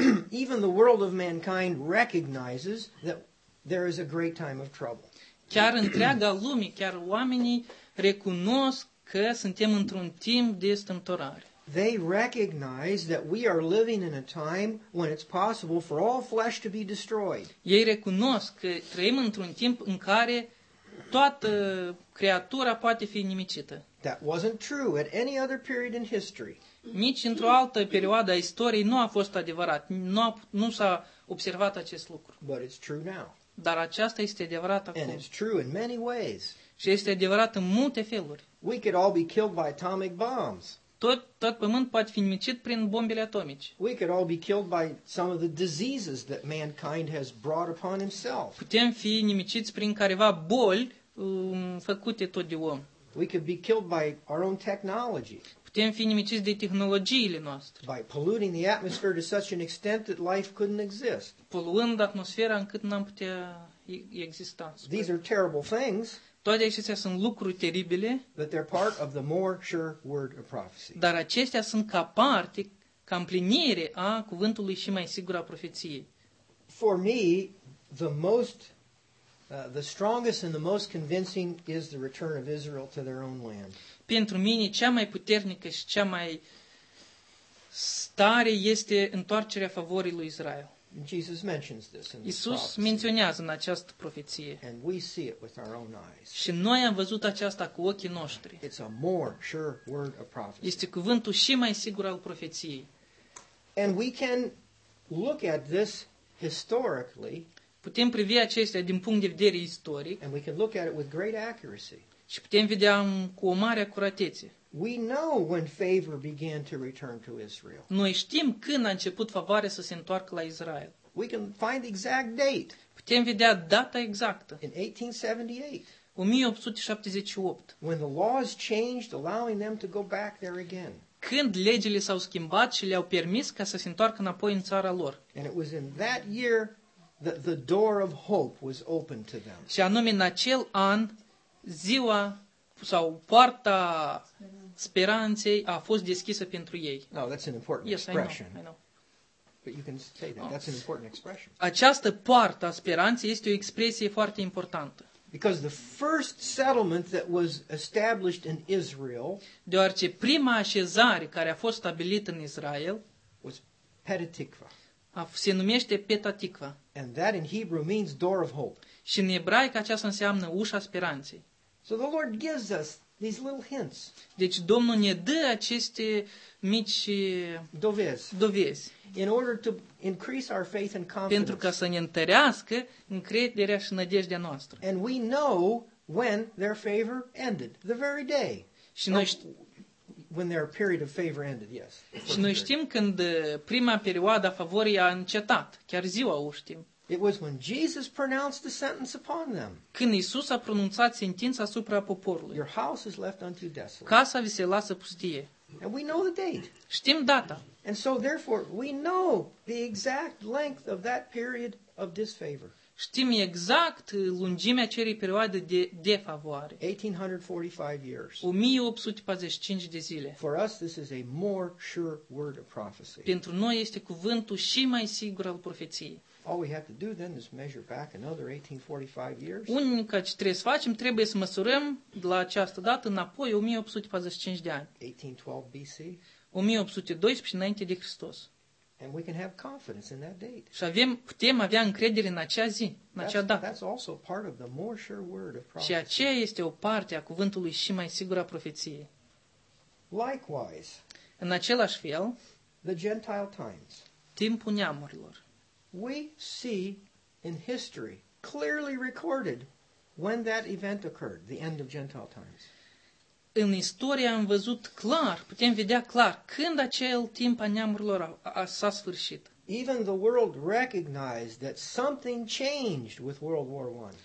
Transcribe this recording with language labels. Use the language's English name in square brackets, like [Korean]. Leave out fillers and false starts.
[English] Even the world of mankind recognizes that there is a great time of trouble. [Romanian] Chiar întreaga lume, chiar oamenii recunosc că suntem într-un timp de strâmtorare. [English] They recognize that we are living in a time when it's possible for all flesh to be destroyed. [Romanian] Ei recunosc că trăim într-un timp în care toată creatura poate fi nimicită. [English] That wasn't true at any other period in history. [Romanian] Nici într-o altă perioadă a istoriei nu a fost adevărat. Nu s-a observat acest lucru. [English] But it's true now. [Romanian] Dar aceasta este adevărat acum. [English] And it's true in many ways. [Romanian] Și este adevărat în multe feluri. [English] We could all be killed by atomic bombs. [Romanian] Tot pământ poate fi nimicit prin bombele atomice. [English] We could all be killed by some of the diseases that mankind has brought upon himself. [Romanian] Putem fi nimiciți prin careva boli făcute tot de om. [English] We could be killed by our own technology. [Romanian] Putem fi nimiciți de tehnologiile noastre. [English] By polluting the atmosphere to such an extent that life couldn't exist. [Romanian] Poluând atmosfera încât n-am putea exista. [English] These are terrible things. [Romanian] Toate acestea sunt lucruri teribile. [English] But they're part of the more sure word of prophecy. [Romanian] Dar acestea sunt ca parte, ca împlinire a cuvântului și mai sigur a profeției. [English] For me, the most, the strongest and the most convincing is the return of Israel to their own land. [Romanian] Pentru mine, cea mai puternică și cea mai stare este întoarcerea favorii lui Israel. [English] Jesus mentions this in [Romanian] Iisus menționează în această profeție. [English] And we see it with our own eyes. [Romanian] Și noi am văzut aceasta cu ochii noștri. [English] It's a more sure word of prophecy. [Romanian] Este cuvântul și mai sigur al profeției. [English] And we can look at this historically. [Romanian] Putem privi acestea din punct de vedere istoric. [English] And we can look at it with great accuracy. [Romanian] Și putem vedea cu o mare acuratețe. [English] We know when favor began to return to Israel. [Romanian] Noi știm când a început favoarea să se întoarcă la Israel. [English] We can find the exact date. [Romanian] Putem vedea data exactă. [English] In 1878. [Romanian] 1878. [English] When the laws changed, allowing them to go back there again. [Romanian] Când legile s-au schimbat și le-au permis ca să se întoarcă înapoi în țara lor. [English] And it was in that year that the door of hope was opened to them. [Romanian] Și anume în acel an, ziua sau poarta speranței a fost deschisă pentru ei. [English] No, that's an important expression. Yes, I know. But you can say that. That's an important expression. [Romanian] Această poartă a speranței este o expresie foarte importantă. [English] Because the first settlement that was established in Israel, [Romanian] deoarece prima așezare care a fost stabilită în Israel, [English] was Petah Tikva. [Romanian] Se numește Petah Tikva. [English] And that in Hebrew means door of hope. [Romanian] Și în ebraică aceasta înseamnă ușa speranței. [English] So the Lord gives us these little hints. [Romanian] Deci Domnul ne dă aceste mici dovezi. [English] In order to increase our faith and confidence. [Romanian] Pentru ca să ne întărească încrederea și nădejdea noastră. [English] And we know when their favor ended, the very day. [Romanian] Și noi știm [English] when their period of favor ended, yes. [Romanian] Și noi știm când prima perioadă a favorii a încetat, chiar ziua o știm. [English] It was when Jesus pronounced the sentence upon them. [Romanian] Când Iisus a pronunțat sentința asupra poporului. [English] Your house is left unto you desolate. [Romanian] Casa vi se lasă pustie. [English] And we know the date. [Romanian] Știm data. [English] And so therefore we know the exact length of that period of disfavor. [Romanian] Știm exact lungimea acelei perioade de defavoare. [English] 1845 years. [Romanian] 1845 de zile. [English] For us this is a more sure word of prophecy. [Romanian] Pentru noi este cuvântul și mai sigur al profeției. [English] All we have to do then is measure back another 1845 years. [Romanian] Unica ce trebuie să facem, trebuie să măsurăm de la această dată înapoi 1845 de ani. [English] 1812 BC. [Romanian] 1812 înainte de Hristos. [English] And we can have confidence in that date. [Romanian] Și putem avea încredere în acea zi, în acea dată. [English] That's also part of the more sure word of prophecy. [Romanian] Și aceea este o parte a cuvântului și mai sigură a profeției. [English] Likewise. [Romanian] În același fel, [English] the Gentile times. [Romanian] Timpul neamurilor. [English] We see in history clearly recorded when that event occurred, the end of Gentile times. [Romanian] În istorie am văzut clar, putem vedea clar când acel timp a neamurilor s-a sfârșit. [English] Even the world recognized that something changed with World War I.